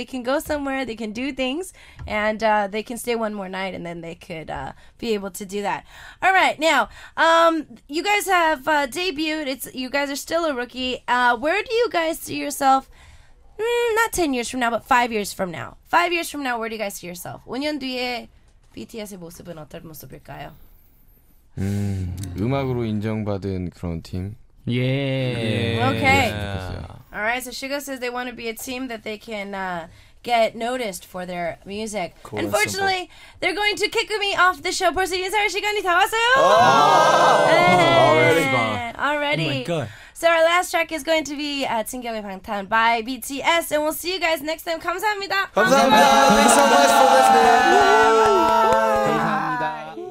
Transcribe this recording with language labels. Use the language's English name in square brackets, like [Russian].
[English] They can go somewhere, they can do things and they can stay one more night and then they could be able to do that. All right, now, you guys have debuted. It's, you guys are still a rookie. Where do you guys see yourself, not 10 years from now, but 5 years from now? 5 years from now, where do you guys see yourself? [Korean] 5년 뒤에 BTS의 모습은 어떤 모습일까요? 음악으로 인정받은 그런 팀. [English] Yeah. Okay. Yeah. All right, so Suga says they want to be a team that they can... get noticed for their music. Cool, unfortunately, they're going to kick me off the show. [Korean] 벌써 인사할 시간이 다 왔어요? [English] Already. Oh my God. So our last track is going to be 진경의 방탄 by BTS. And we'll see you guys next time. [Korean] 감사합니다. 감사합니다. [English] Thanks so much for listening. [Korean] 감사합니다.